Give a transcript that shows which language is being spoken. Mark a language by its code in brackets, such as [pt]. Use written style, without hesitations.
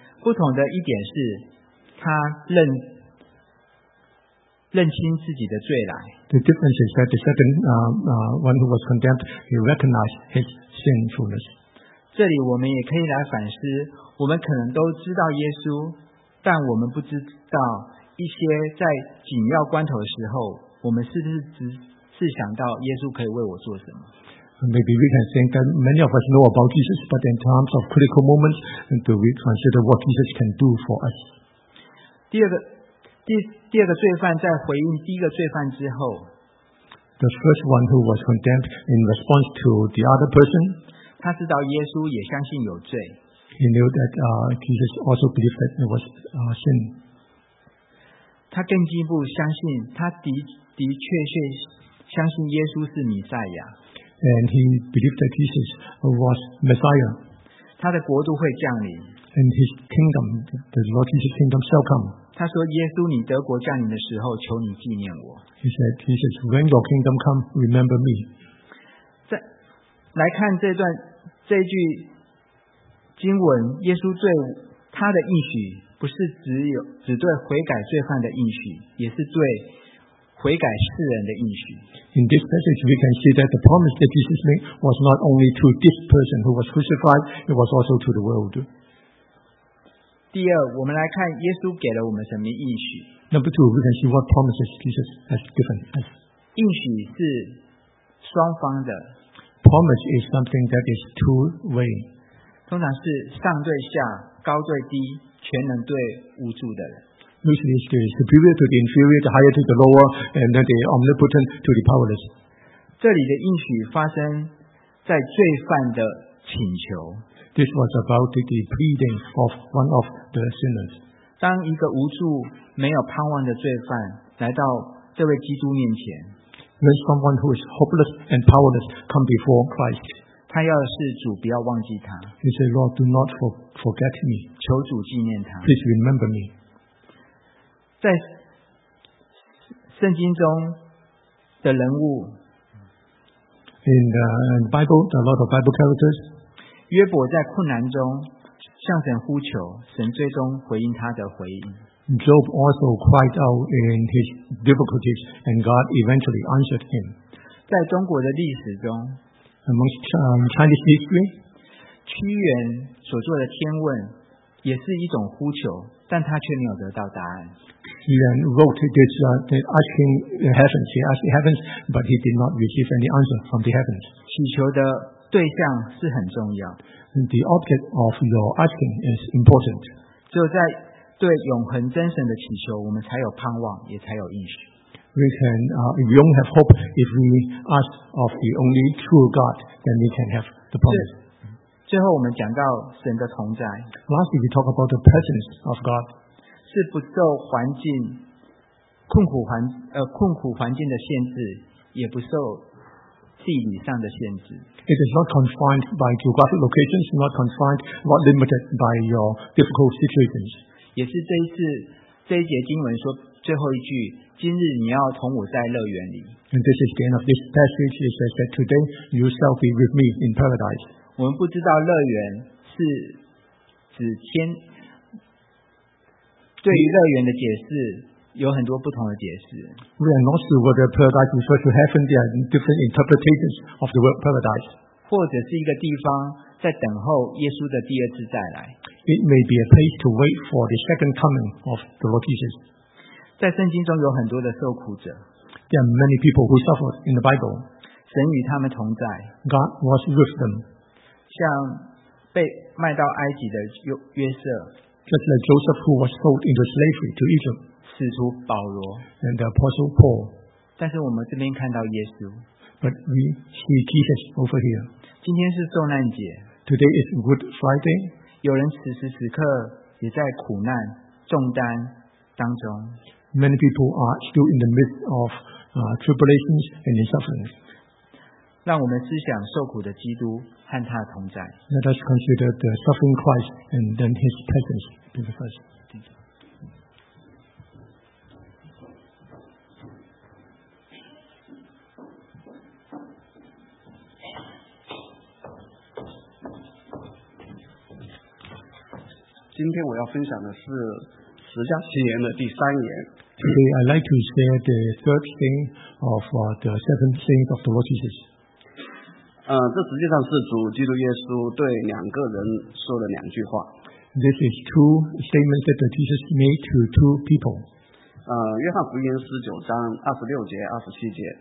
[zh] 不同的一点是，他认清自己的罪来。 [en] The difference is that the second one who was condemned, he recognized his sinfulness. [zh] 这里我们也可以来反思，我们可能都知道耶稣，但我们不知道一些在紧要关头的时候，我们是不是只想到耶稣可以为我做什么。 [en] Maybe we can think that many of us know about Jesus, but in terms of critical moments, do we consider what Jesus can do for us? [zh] 第二个罪犯在回应第一个罪犯之后 [en] ，The first one who was condemned in response to the other person， [zh] 他知道耶稣也相信有罪。 [en] He knew that Jesus also believed that it was sin。 [zh] 他更进一步相信，他的确确相信耶稣是弥赛亚。 [en] And he believed that Jesus was Messiah。 [zh] 他的国度会降临。 [en] And his kingdom, the Lord Jesus' kingdom, shall come. [zh] 他说：“耶稣，你德国降临的时候，求你纪念我。” [en] He said, "Jesus, when your kingdom come, remember me." [zh] 再来看这段这句经文，耶稣对他的应许，不是只对悔改罪犯的应许，也是对悔改世人的应许。 [en] In this passage, we can see that the promise that Jesus made was not only to this person who was crucified; it was also to the world. [zh] 第二，我们来看耶稣给了我们什么应许。 [en] Number two, we can see what promises Jesus has given us. [zh] 应许是双方的。 [en] Promise is something that is two-way. [zh] 通常是上对下，高对低，全能对无助的人。 [en] Usually it is superior to the inferior, the higher to the lower, and then the omnipotent to the powerless. [zh] 这里的应许发生在罪犯的请求。 [en] This was about the pleading of one of the sinners. [zh] 当一个无助、没有盼望的罪犯来到这位基督面前 [en] ，When someone who is hopeless and powerless come before Christ, [zh] 他要的是主不要忘记他。 [en] He said, "Lord, do not forget me." [zh] 求主纪念他。 [en] Please remember me. [zh] 在圣经中的人物 [en] ，In the Bible, a lot of Bible characters. [zh] 约伯在困难中向神呼求，神最终回应他的回应。 [en] Job also cried out in his difficulties, and God eventually answered him. [zh] 在中国的历史中 [en] ，Amongst Chinese history, [zh] 屈原所做的天问也是一种呼求，但他却没有得到答案。 [en] 屈原 wrote this, asking the heavens, he asked the heavens, but he did not receive any answer from the heavens. [zh] 祈求的对象是很重要。 [en] The object of your asking is important. [zh] 只有在对永恒真神的祈求，我们才有盼望，也才有应许。 [en] We can, we only have hope if we ask of the only true God, then we can have the promise. [zh] 最后，我们讲到神的同在。 [en] Lastly, we talk about the presence of God. [zh] 是不受环境困苦环境的限制，也不受地理上的限制。 [en] It is not confined by geographic locations, not confined, not limited by your difficult situations. [zh] 也是这一次这一节经文说最后一句，今日你要同我在乐园里。 [en] And this is the end of this passage. It says that today you shall be with me in paradise. [zh] 我们不知道乐园是指天。对于乐园的解释。有很多不同的解释。 [en] We are not sure whether paradise refers to heaven. There are different interpretations of the word paradise. [zh] 或者是一个地方在等候耶稣的第二次再来。 [en] It may be a place to wait for the second coming of the Lord Jesus. [zh] 在圣经中有很多的受苦者。 [en] There are many people who suffered in the Bible. [zh] 神与他们同在。 [en] God was with them. [zh] 像被卖到埃及的约瑟。 [en] Just like Joseph who was sold into slavery to Egypt. [zh] 使徒保罗 [en] and the apostle Paul, [zh] 但是我们这边看到耶稣 [en] but we see Jesus over here. [zh] 今天是受难节 [en] today is Good Friday. [zh] 有人此时此刻也在苦难重担当中 [en] many people are still in the midst of tribulations and in suffering. [zh] 让我们思想受苦的基督和他的同在。 [en] Let us consider the suffering Christ and then His presence with us. Thank you. [zh] 今天我要分享的是十架新年的第三年。 [en] Today I'd like to share the third thing of the seven things of the Lord Jesus. [zh] 这实际上是主基督耶稣对两个人说的两句话。 [en] This is two statements that Jesus made to two people. [zh] 约翰福音十九章二十六节、二十七节。